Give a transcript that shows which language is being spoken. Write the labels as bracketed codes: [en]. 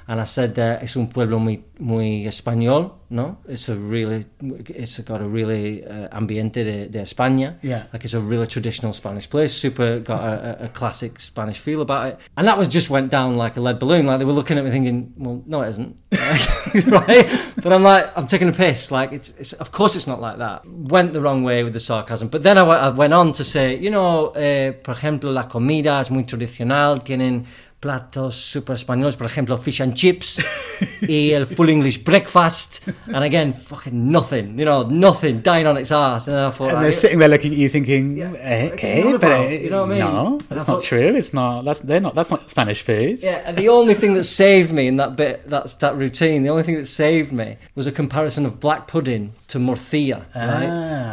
[es] And I said, es un pueblo muy español, no? [en] It's got a really ambiente de España. Yeah. Like it's a really traditional Spanish place, super got a classic Spanish feel about it. And that was just went down like a lead balloon. Like they were looking at me thinking, well, no, it isn't. Right? But I'm like, I'm taking a piss. Like it's of course it's not like that. Went the wrong way with the sarcasm. [es] But then I went on to say, you know, por ejemplo, la comida es muy tradicional, tienen platos super españoles, por ejemplo, fish and chips y el full English breakfast. [en] And again, fucking nothing, you know, nothing, dying on its ass. And then I thought, and they're sitting there looking at you thinking, okay, but that's not Spanish food. Yeah, and the only thing that saved me in that bit, that routine, the only thing that saved me was a comparison of black pudding to morcilla, right?